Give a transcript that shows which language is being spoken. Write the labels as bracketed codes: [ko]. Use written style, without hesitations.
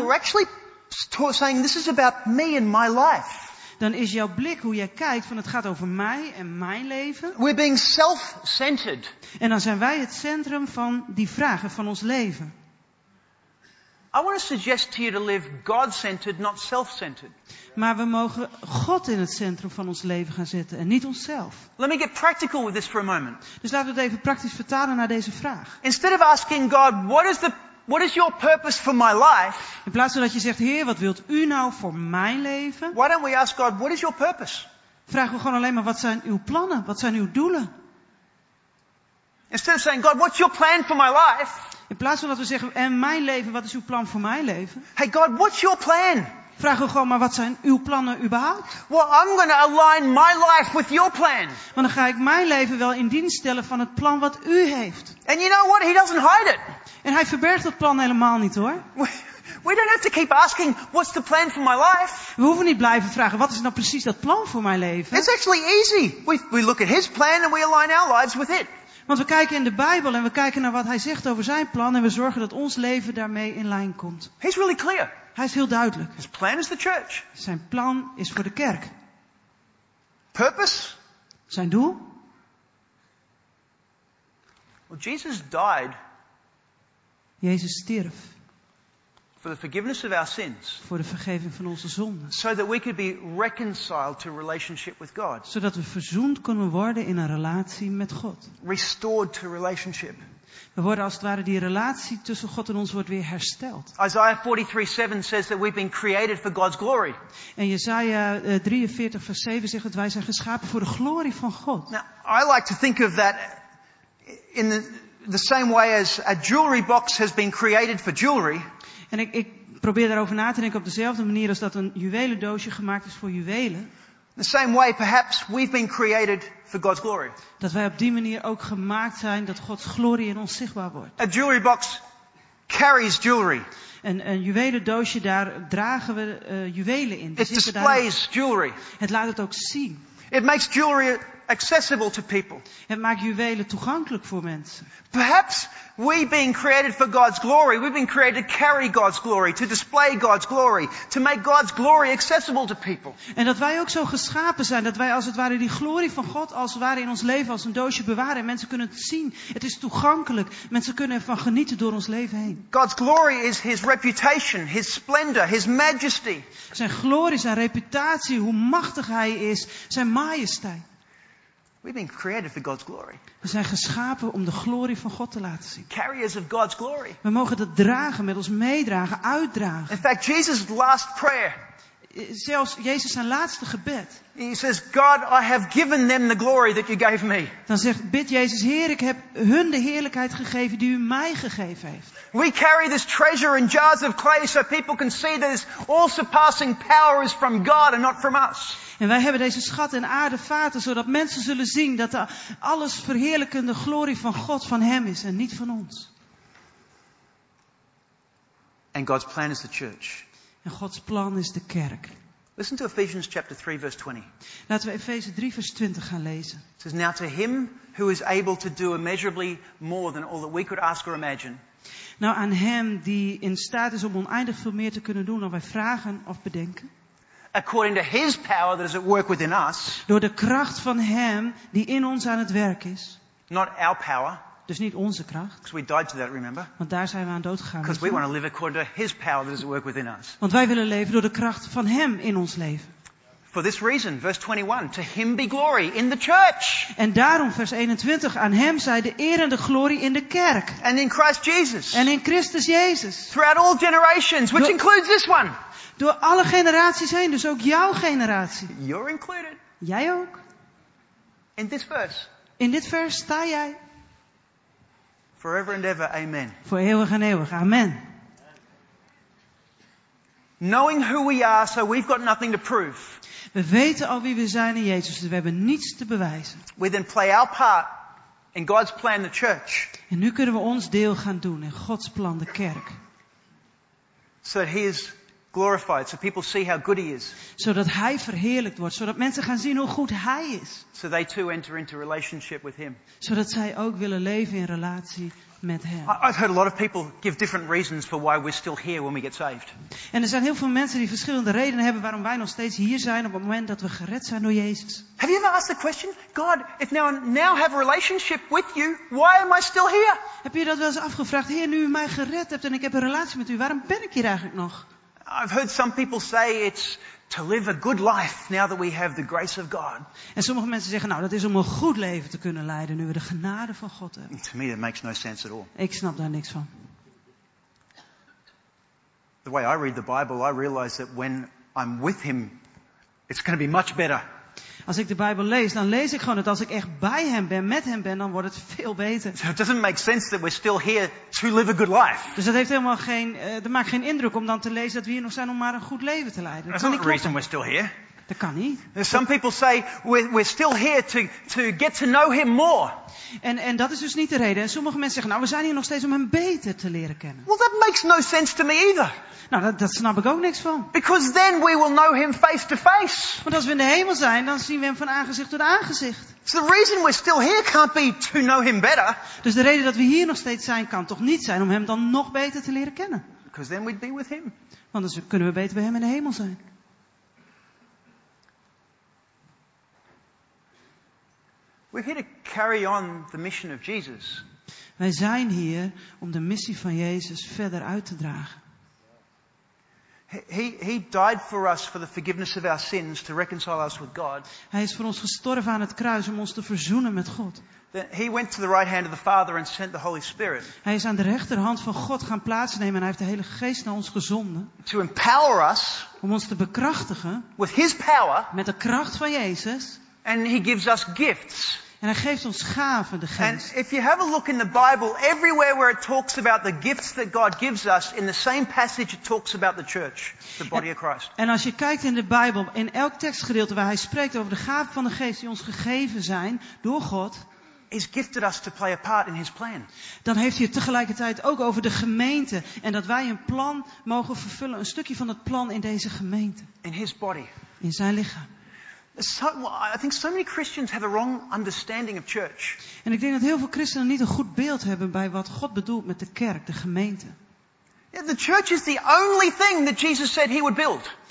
[en] We're actually saying this is about me and my life. [nl] Dan is jouw blik hoe jij kijkt van het gaat over mij en mijn leven. [en] We're being self-centered. [nl] En dan zijn wij het centrum van die vragen van ons leven. [en] I want to suggest to you to live God-centered, not self-centered. [nl] Maar we mogen God in het centrum van ons leven gaan zetten en niet onszelf. [en] Let me get practical with this for a moment. [nl] Dus laten we het even praktisch vertalen naar deze vraag. [en] Instead of asking God, what is your purpose for my life? [nl] In plaats van dat je zegt, Heer, wat wilt u nou voor mijn leven? [en] Why don't we ask God, what is your purpose? [nl] Vragen we gewoon alleen maar, wat zijn uw plannen? Wat zijn uw doelen? [en] Instead of saying, God, what's your plan for my life? [nl] In plaats van dat we zeggen, en mijn leven, wat is uw plan voor mijn leven? [en] Hey God, what's your plan? [nl] Vragen we gewoon maar, wat zijn uw plannen überhaupt? [en] Well, I'm going to align my life with your plan. [nl] Want dan ga ik mijn leven wel in dienst stellen van het plan wat u heeft. [en] And you know what? He doesn't hide it. [nl] En hij verbergt dat plan helemaal niet hoor. [en] We don't have to keep asking, what's the plan for my life? [nl] We hoeven niet blijven vragen, wat is nou precies dat plan voor mijn leven? [en] It's actually easy. We look at his plan and we align our lives with it. [nl] Want we kijken in de Bijbel en we kijken naar wat hij zegt over zijn plan en we zorgen dat ons leven daarmee in lijn komt. [en] He's really clear. [nl] Hij is heel duidelijk. [en] His plan is the church. [nl] Zijn plan is voor de kerk. [en] Purpose? [nl] Zijn doel? [en] Well, Jesus died. [nl] Jezus stierf. [en] For the forgiveness of our sins. [nl] Voor de vergeving van onze zonden. [en] So that we could be reconciled to relationship with God. [nl] Zodat we verzoend kunnen worden in een relatie met God. [en] Restored to relationship. [nl] We worden als het ware die relatie tussen God en ons wordt weer hersteld. [en] Isaiah 43:7 says that we've been created for God's glory. [nl] En Jesaja 43 vers 7 zegt dat wij zijn geschapen voor de glorie van God. [en] Now, I like to think of that in the same way as a jewelry box has been created for jewelry. [nl] En ik probeer daarover na te denken op dezelfde manier als dat een juwelendoosje gemaakt is voor juwelen. [en] The same way perhaps we've been created for God's glory. [nl] Dat wij op die manier ook gemaakt zijn dat Gods glorie in ons zichtbaar wordt. [en] A jewelry box carries jewelry. [nl] Een juwelendoosje, daar dragen we juwelen in. [en] It displays jewelry. [nl] Het laat het ook zien. [en] It makes jewelry accessible to people. [nl] Het maakt juwelen toegankelijk voor mensen. [en] Perhaps we being created for God's glory, we've been created to carry God's glory, to display God's glory, to make God's glory accessible to people. [nl] En dat wij ook zo geschapen zijn, dat wij als het ware die glorie van God als het ware in ons leven als een doosje bewaren en mensen kunnen het zien. Het is toegankelijk. Mensen kunnen ervan genieten door ons leven heen. [en] God's glory is his reputation, his splendor, his majesty. [nl] Zijn glorie, zijn reputatie, hoe machtig hij is, zijn majesteit. [en] We've been created for God's glory. [nl] We zijn geschapen om de glorie van God te laten zien. [en] Carriers of God's glory. [nl] We mogen dat dragen, met ons meedragen, uitdragen. [en] In fact, Jesus' last prayer. [nl] Zelfs Jezus zijn laatste gebed. [en] He says, God, I have given them the glory that you gave me. [nl] Dan zegt, bid Jezus, Heer, ik heb hun de heerlijkheid gegeven die u mij gegeven heeft. [en] We carry this treasure in jars of clay so people can see that this all-surpassing power is from God and not from us. [nl] En wij hebben deze schat in aarden vaten zodat mensen zullen zien dat de alles verheerlijkende glorie van God van hem is en niet van ons. [en] And God's plan is the church. [nl] En Gods plan is de kerk. [en] Listen to Ephesians chapter 3 verse 20. [nl] Laten we Efeze 3 vers 20 gaan lezen. [en] It says, now to him who is able to do immeasurably more than all that we could ask or imagine. [nl] Nou aan hem die in staat is om oneindig veel meer te kunnen doen dan wij vragen of bedenken. [en] According to his power that is at work within us. [nl] Door de kracht van hem die in ons aan het werk is. [en] Not our power. [nl] Dus niet onze kracht. [en] Because we died to that, remember? [nl] Want daar zijn we aan dood gegaan. [en] Because we want to live according to his power that is at work within us. [nl] Want wij willen leven door de kracht van hem in ons leven. [en] For this reason, verse 21, to him be glory in the church. [nl] En daarom vers 21, aan hem zij de eer en de glorie in de kerk. [en] And in Christ Jesus. [nl] En in Christus Jezus. [en] Throughout all generations, which includes this one. [nl] Door alle generaties heen, dus ook jouw generatie. [en] You're included. [nl] Jij ook. [en] In this verse. [nl] In dit vers sta jij. [en] Forever and ever, amen. [nl] Voor eeuwig en eeuwig, amen. [en] Knowing who we are, so we've got nothing to prove. [nl] We weten al wie we zijn in Jezus, dus we hebben niets te bewijzen. [en] We then play our part in God's plan, the church. [nl] En nu kunnen we ons deel gaan doen in Gods plan, de kerk. [en] So he is glorified, so people see how good he is. [nl] Zodat hij verheerlijkt wordt, zodat mensen gaan zien hoe goed hij is. [en] So they too enter into relationship with him. [nl] Zodat zij ook willen leven in relatie met hem. [en] I've heard a lot of people give different reasons for why we're still here when we get saved. [nl] En er zijn heel veel mensen die verschillende redenen hebben waarom wij nog steeds hier zijn op het moment dat we gered zijn door Jezus. [en] Have you ever asked the question, God, if now have a relationship with you, why am I still here? [nl] Heb je dat wel eens afgevraagd, Heer, nu u mij gered hebt en ik heb een relatie met u, waarom ben ik hier eigenlijk nog? [en] I've heard some people say it's to live a good life now that we have the grace of God. [nl] En sommige mensen zeggen, nou, dat is om een goed leven te kunnen leiden nu we de genade van God hebben. [en] To me, that makes no sense at all. [nl] Ik snap daar niks van. [en] The way I read the Bible, I realize that when I'm with him, it's going to be much better. [nl] Als ik de Bijbel lees, dan lees ik gewoon dat als ik echt bij hem ben, met hem ben, dan wordt het veel beter. [en] So it doesn't make sense that we're still here to live a good life. [nl] Dus dat heeft helemaal geen, dat maakt geen indruk om dan te lezen dat we hier nog zijn om maar een goed leven te leiden. [en] That's not the reason we're still here. [nl] Dat kan niet. [en] Some people say we're still here to get to know him more. [nl] En dat is dus niet de reden. En sommige mensen zeggen, nou, we zijn hier nog steeds om hem beter te leren kennen. [en] Well, that makes no sense to me either. [nl] Nou, dat snap ik ook niks van. [en] Because then we will know him face to face. [nl] Want als we in de hemel zijn, dan zien we hem van aangezicht tot aangezicht. [en] So the reason we're still here can't be to know him better. [nl] Dus de reden dat we hier nog steeds zijn, kan toch niet zijn om hem dan nog beter te leren kennen. [en] Because then we'd be with him. [nl] Want dan kunnen we beter bij hem in de hemel zijn. [en] We're here to carry on the mission of Jesus. [nl] Wij zijn hier om de missie van Jezus verder uit te dragen. [en] He died for us for the forgiveness of our sins to reconcile us with God. [nl] Hij is voor ons gestorven aan het kruis om ons te verzoenen met God. [en] He went to the right hand of the Father and sent the Holy Spirit. [nl] Hij is aan de rechterhand van God gaan plaatsnemen en hij heeft de Heilige Geest naar ons gezonden. [en] To empower us. [nl] Om ons te bekrachtigen. [en] With his power. [nl] Met de kracht van Jezus. [en] And he gives us gifts. [nl] En hij geeft ons gaven, de Geest. [en] And if you have a look in the Bible, everywhere where it talks about the gifts that God gives us, in the same passage it talks about the church, the body of Christ. [nl] En als je kijkt in de Bijbel, in elk tekstgedeelte waar hij spreekt over de gaven van de Geest die ons gegeven zijn door God, [en] he's gifted us to play a part in his plan. [nl] Dan heeft hij het tegelijkertijd ook over de gemeente en dat wij een plan mogen vervullen, een stukje van het plan in deze gemeente. [en] In his body. [nl] In zijn lichaam. [en] So, I think so many Christians have a wrong understanding of church. [nl] En ik denk dat heel veel christenen niet een goed beeld hebben bij wat God bedoelt met de kerk, de gemeente. [en] Yeah, the church is the only thing that Jesus said he would build.